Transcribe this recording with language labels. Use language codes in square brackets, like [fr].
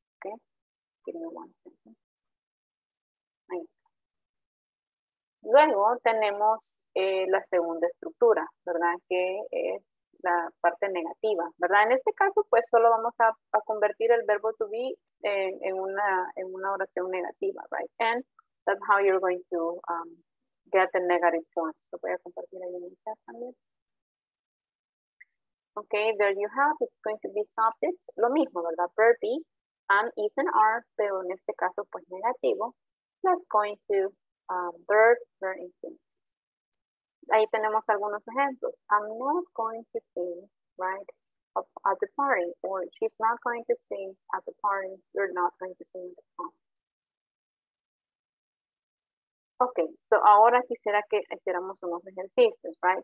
[en] Okay? Give me 1 second. [es] Ahí está. Luego tenemos la segunda estructura, ¿verdad? Que es la parte negativa, ¿verdad? En este caso, pues, solo vamos a convertir el verbo to be en una oración negativa, right? [en] And that's how you're going to get the negative form. [es] Lo voy a compartir ahí en el chat también. [en] Okay, there you have. It's going to be subject. [es] Lo mismo, ¿verdad? [en] Verb be, am, is, and are, [es] pero en este caso, pues, negativo. [en] That's going to... [es] verb infinitive. Ahí tenemos algunos ejemplos. [en] I'm not going to sing, right, at the party. Or she's not going to sing at the party. You're not going to sing at the party. Okay, so [es] ahora quisiera que hiciéramos unos ejercicios, right?